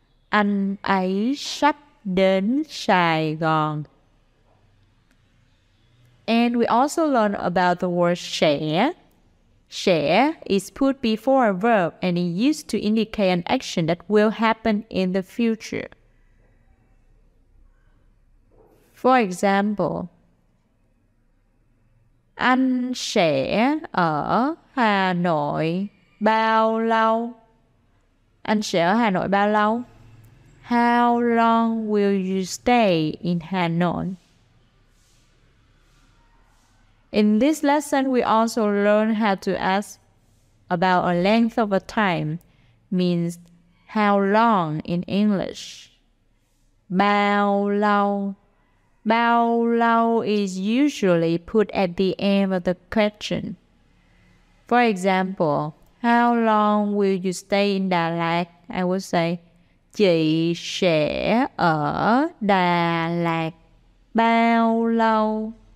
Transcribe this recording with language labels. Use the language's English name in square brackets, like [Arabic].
[Vietnamese] Anh ấy sắp đến Sài Gòn. [English] And we also learn about the word sẽ. Sẽ is put before a verb and is used to indicate an action that will happen in the future. For example, [Vietnamese] anh sẽ ở Hà Nội bao lâu? Anh sẽ ở Hà Nội bao lâu? [English] How long will you stay in Hà Nội? In this lesson, we also learn how to ask about a length of a time, means how long in English. Bao lâu. Bao lâu is usually put at the end of the question. For example, how long will you stay in Đà Lạt? I would say, [Vietnamese] chị sẽ ở Đà Lạt bao lâu?